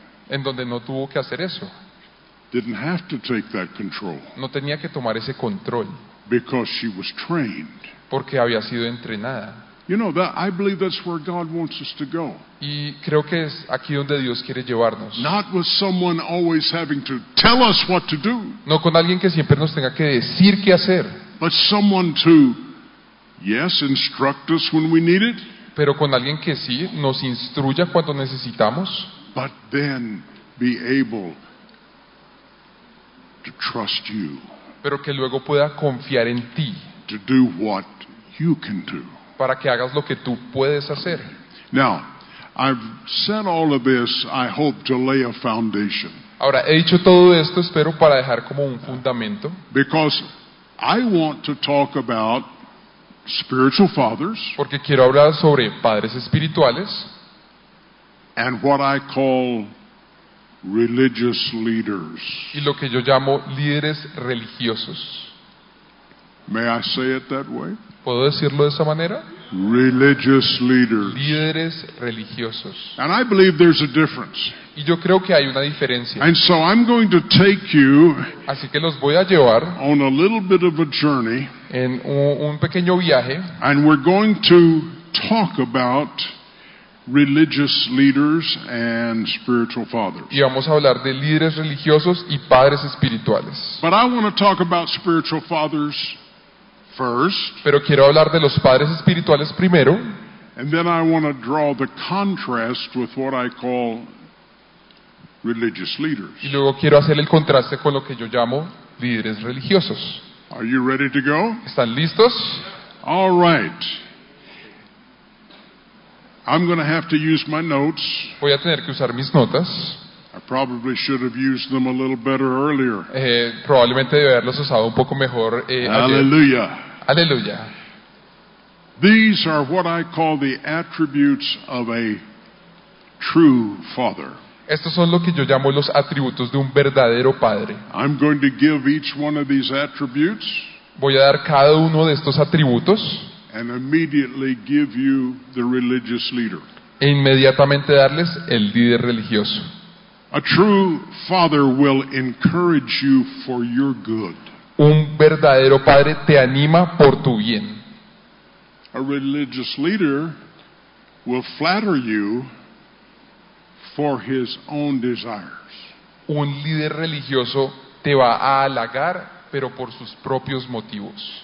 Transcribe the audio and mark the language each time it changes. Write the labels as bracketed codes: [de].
[es] En donde no tuvo que hacer eso. [en] Didn't have to take that control. [es] No tenía que tomar ese control. [en] Because she was trained. [es] Porque había sido entrenada. [en] You know that I believe that's where God wants us to go. [es] Y creo que es aquí donde Dios quiere llevarnos. [en] Not with someone always having to tell us what to do. [es] No con alguien que siempre nos tenga que decir qué hacer. [en] But someone to, yes, instruct us when we need it. [es] Pero con alguien que sí nos instruya cuando necesitamos. [en] But then be able to trust you. [es] Pero que luego pueda confiar en ti. [en] To do what you can do. [es] Para que hagas lo que tú puedes hacer. [en] Now, I've said all of this, I hope to lay a foundation. [es] Ahora he dicho todo esto, espero para dejar como un fundamento. [en] Because I want to talk about spiritual fathers. [es] Porque quiero hablar sobre padres espirituales. [en] And what I call religious leaders. [es] Y lo que yo llamo líderes religiosos. [en] May I say it that way? [es] ¿Puedo decirlo de esa manera? [en] Religious leaders. [es] Líderes religiosos. [en] And I believe there's a difference. [es] Y yo creo que hay una diferencia. [en] And so I'm going to take you. [es] Así que los voy a llevar. [en] On a little bit of a journey. [es] En un pequeño viaje. [en] And we're going to talk about religious leaders and spiritual fathers. [es] Y vamos a hablar de líderes religiosos y padres espirituales. [en] But I want to talk about spiritual fathers first. [es] Pero quiero hablar de los padres espirituales primero. [en] And then I want to draw the contrast with what I call religious leaders. [es] Y luego quiero hacer el contraste con lo que yo llamo líderes religiosos. [en] Are you ready to go? [es] ¿Están listos? [en] All right. I'm going to have to use my notes. [es] Voy a tener que usar mis notas. [en] I probably should have used them a little better earlier. [es] Probablemente debí haberlos usado un poco mejor. Aleluya. Aleluya. [en] These are what I call the attributes of a true father. [es] Estos son lo que yo llamo los atributos de un verdadero padre. [en] I'm going to give each one of these attributes. [es] Voy a dar cada uno de estos atributos. [en] And immediately give you the religious leader. [es] E inmediatamente darles el líder religioso. [en] A true father will encourage you for your good. [es] Un verdadero padre te anima por tu bien. [en] A religious leader will flatter you for his own desires. [es] Un líder religioso te va a halagar pero por sus propios motivos.